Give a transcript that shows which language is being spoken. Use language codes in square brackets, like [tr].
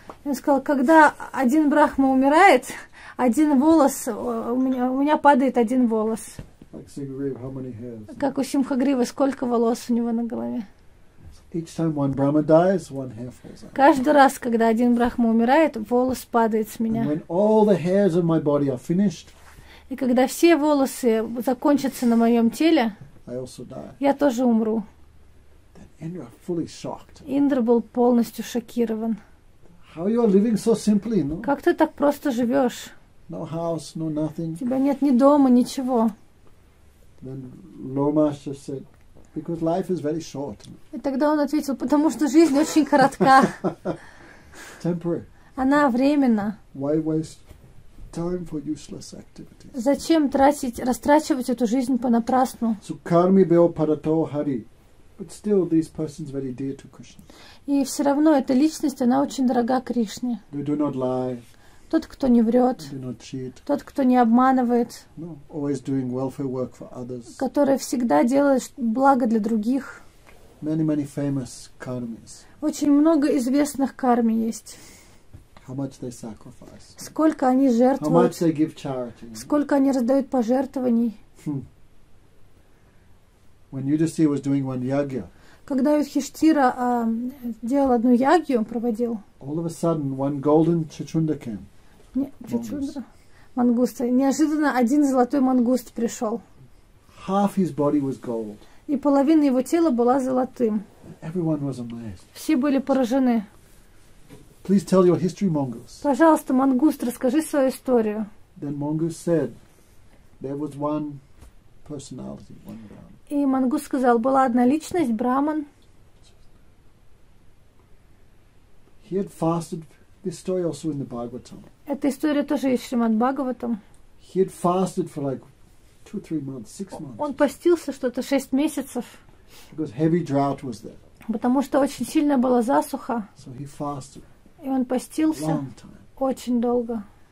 [ru] Он сказал, когда один Брахма умирает, один волос у меня падает один волос. [en] Like Simhagriva, how many hairs? [ru] Как у Симхагривы, сколько волос у него на голове? [en] Each time one Brahma dies, one hair falls out. [ru] Каждый раз, когда один Брахма умирает, волос падает с меня. [en] And when all the hairs of my body are finished, [ru] и когда все волосы закончатся на моем теле, [en] I also die. [ru] Я тоже умру. [en] Then Indra fully shocked. [ru] Индра был полностью шокирован. [en] How you are living so simply, no? [ru] Как ты так просто живешь? [en] No house, no nothing. [ru] У тебя нет ни дома, ничего. [en] Then Lomasha said, because life is very short. [ru] И тогда он ответил, потому что жизнь очень коротка. [en] Temporary. [ru] Она временна. [en] Why waste time for useless activities? [ru] Зачем растрачивать эту жизнь понапрасну? So karmi beo parato hari. [en] But still, these persons very dear to Krishna. [ru] И все равно эта личность, она очень дорога Кришне. [en] They do not lie. [ru] Тот, кто не врет. [en] They do not cheat. [ru] Тот, кто не обманывает. [en] No, always doing welfare work for others. [ru] Который всегда делает благо для других. [en] Many, many famous karmis. [ru] Очень много известных карми есть. [en] How much they sacrifice. [ru] Сколько они жертвуют. [en] How much they give charity. [ru] Сколько они раздают пожертвований. [en] When Yudhishthira was doing one yagya, [ru] когда Юдхиштхира делал одну ягью, проводил, [en] all of a sudden one golden chachunda came. [ru] Мангуста. Неожиданно один золотой мангуст пришел. [en] Half his body was gold. [ru] И половина его тела была золотым. [en] Everyone was amazed. [ru] Все были поражены. [en] Please tell your history, mongoose. [ru] Пожалуйста, мангуст, расскажи свою историю. [en] Then mongoose said, there was one personality, one Brahman. [ru] И Мангус сказал, была одна личность, Браман. [en] He had fasted, this story also in the Bhagavatam. [ru] Эта история тоже есть в Шримад-Бхагаватам. [en] He had fasted for like 2-3 months, 6 months. [ru] Он постился что-то 6 месяцев. [en] Because heavy drought was there. [ru] Потому что очень сильная была засуха. [en] So he fasted. [ru] И он постился [en] long time. [ru] Очень долго.